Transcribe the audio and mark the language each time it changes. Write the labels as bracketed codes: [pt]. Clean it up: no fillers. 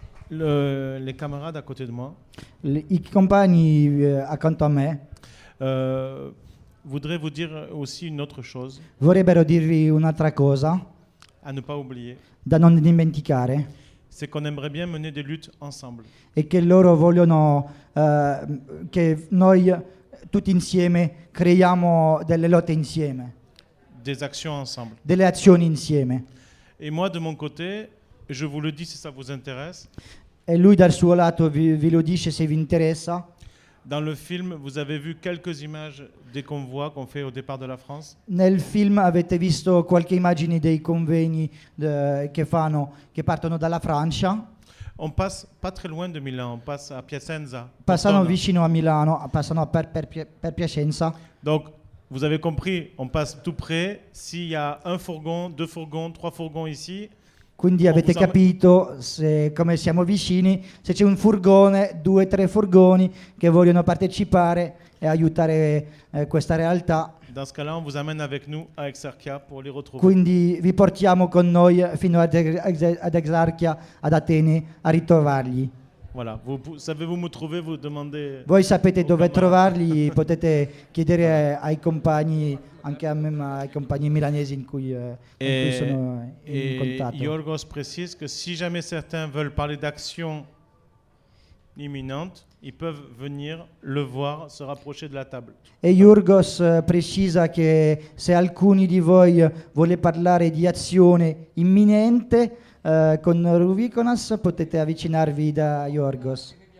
[fr] Le camarades à côté de moi. [it] I compagni accanto a me. [fr] Voudrais vous dire aussi une autre chose. [it] Vorrebbero dirvi un'altra cosa. [fr] À ne pas oublier. [it] Da non dimenticare. [fr] C'est qu'on aimerait bien mener des luttes ensemble. [it] E che loro vogliono che noi tutti insieme creiamo delle lotte insieme. [fr] Des actions ensemble. [it] Delle azioni insieme. [fr] Et moi de mon côté. Je vous le dis si ça vous intéresse. Et lui [it] dal suo lato vi lo dice se vi interessa. [fr] Dans le film, vous avez vu quelques images des convois qu'on fait au départ de la France. [it] Nel film avete visto qualche immagine dei convegni che partono dalla Francia. [fr] On passe pas très loin de Milan, on passe à Piacenza. [it] Passano vicino a Milano, passano per Piacenza. [fr] Donc vous avez compris, on passe tout près, s'il y a un fourgon, deux fourgons, trois fourgons ici. [it] Quindi avete capito se, come siamo vicini, se c'è un furgone, 2 o 3 furgoni che vogliono partecipare e aiutare questa realtà. [fr] Dans ce cas-là, on vous amène avec nous à Exarchia pour les retrouver. [it] Quindi vi portiamo con noi fino ad Exarchia, ad Atene, a ritrovarli. [fr] Voilà, vous savez où me trouver, vous demandez. [it] Voi sapete dove trovarli, potete chiedere ai compagni, anche a me, ma ai compagni milanesi in cui sono in contatto. [fr] E Yorgos précise que si jamais certains veulent parler d'action imminente, ils peuvent venir le voir, se rapprocher de la table. [it] E Yorgos precisa che se alcuni di voi vuole parlare di azione imminente con Ruvikonas, potete avvicinarvi da Yorgos.